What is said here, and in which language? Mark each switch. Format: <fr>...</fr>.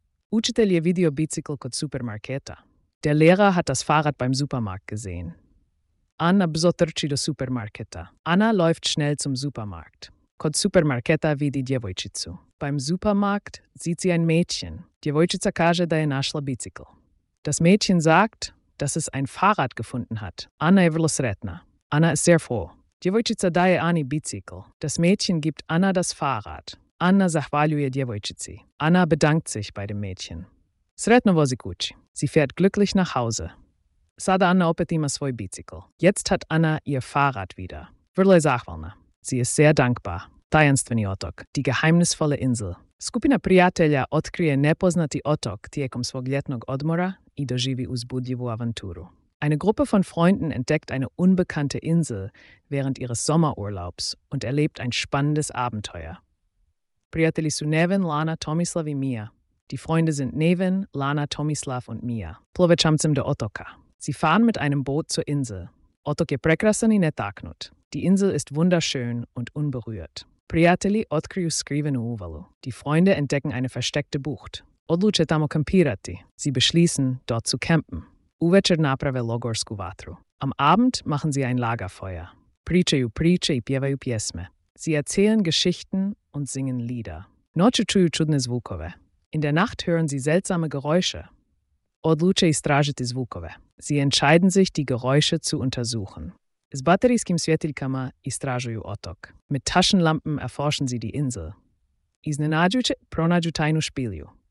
<hr>Učitelj je vidio bicikl kod supermarketa.</hr> <de>Der Lehrer hat das Fahrrad beim Supermarkt gesehen.</de> <hr>Anna bzo trči do supermarketa.</hr> <de>Anna läuft schnell zum Supermarkt.</de> <hr>Kod supermarketa vidi djevojčicu.</hr> <de>Beim Supermarkt sieht sie ein Mädchen.</de> <hr>Djevojčica kaže da je našla bicikl.</hr> <de>Das Mädchen sagt, dass es ein Fahrrad gefunden hat.</de> <hr>Anna je vrlo sretna.</hr> <de>Anna ist sehr froh.</de> <hr>Djevojčica daje Ani bicikl.</hr> <de>Das Mädchen gibt Anna das Fahrrad.</de> <hr>Anna zahvaljuje djevojčici.</hr> <de>Anna bedankt sich bei dem Mädchen.</de> <hr>Sretno vozi kući.</hr> <de>Sie fährt glücklich nach Hause.</de> <hr>Sada Anna opet ima svoj bicikl.</hr> <de>Jetzt hat Anna ihr Fahrrad wieder.</de> <hr>Vrlo je zahvalna.</hr> <de>Sie ist sehr dankbar.</de> <hr>Tajanstveni otok.</hr> <de>Die geheimnisvolle Insel.</de> <hr>Skupina prijatelja otkrije nepoznati otok tijekom svog ljetnog odmora i doživi uzbudljivu avanturu.</hr> <de>Eine Gruppe von Freunden entdeckt eine unbekannte Insel während ihres Sommerurlaubs und erlebt ein spannendes Abenteuer.</de> <hr>Prijatelji su Neven, Lana, Tomislav i Mia.</hr> <de>Die Freunde sind Neven, Lana, Tomislav und Mia.</de> <hr>Plove čamcem do otoka.</hr> <de>Sie fahren mit einem Boot zur Insel.</de> <hr>Otok je prekrasan i netaknut.</hr> <de>Die Insel ist wunderschön und unberührt.</de> <hr>Prijatelji otkriju skrivenu uvalu.</hr> <de>Die Freunde entdecken eine versteckte Bucht.</de> <hr>Odluče tamo kampirati.</hr> <de>Sie beschließen, dort zu campen.</de> <hr>Uvečer naprave logorsku vatru.</hr> <de>Am Abend machen sie ein Lagerfeuer.</de> <hr>Pričaju priče i pjevaju pjesme.</hr> <de>Sie erzählen Geschichten und singen Lieder.</de> <hr>Noću čuju čudne zvukove.</hr> <de>In der Nacht hören sie seltsame Geräusche.</de> <hr>Odluče istražiti zvukove.</hr> <de>Sie entscheiden sich, die Geräusche zu untersuchen.</de> <hr>S baterijskim svjetiljkama istražuju otok.</hr> <de>Mit Taschenlampen erforschen sie die Insel.</de> <hr>Iznenađujuće pronađu tajnu špilju.</hr>